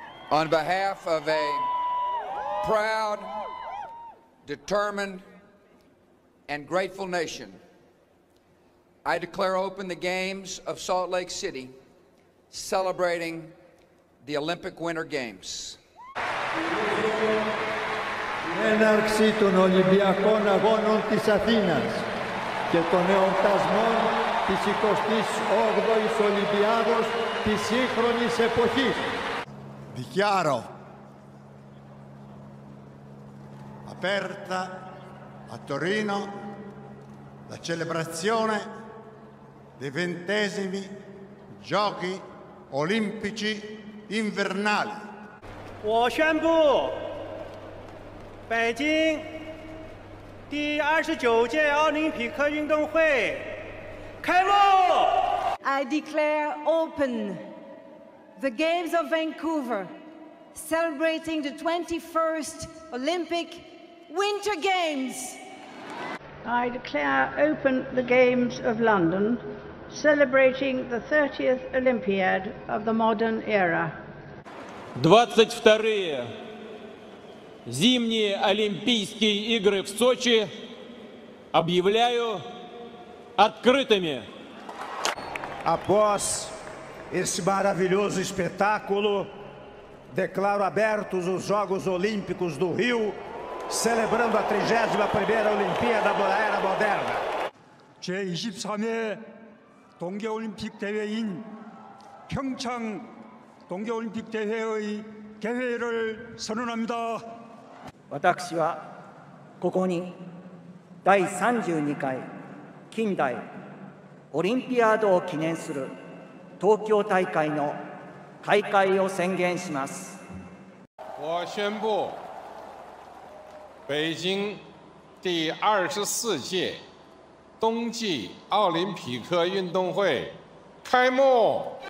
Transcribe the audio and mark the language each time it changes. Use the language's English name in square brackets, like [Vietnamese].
[English] On behalf of a proud, determined, and grateful nation, I declare open the Games of Salt Lake City, celebrating the Olympic Winter Games. [Greek] Έναρξη των Ολυμπιακών Αγώνων της Αθήνας και των εορτασμών της 28ης Ολυμπιάδος της σύγχρονης εποχής. [Italian] Δικιάρο aperta a Torino la celebrazione dei ventesimi giochi olimpici invernali. [Chinese] 我宣布北京第29届奥林匹克运动会开幕。 [English] I declare open the Games of Vancouver, celebrating the 21st Olympic Winter Games. I declare open the Games of London, celebrating the 30th Olympiad of the modern era. [Russian] 22-е зимние Олимпийские игры в Сочи объявляю открытыми. [Portuguese] Após esse maravilhoso espetáculo, declaro abertos os Jogos Olímpicos do Rio, celebrando a 31ª Olimpíada da Era Moderna. [Korean] 제23회 동계올림픽 대회인 평창 동계올림픽 대회의 개회를 선언합니다. [Japanese] 私はここに第32回近代オリンピアードを記念する東京大会の開会を宣言します。 [Chinese] 我宣布北京第24届冬季奥林匹克运动会开幕。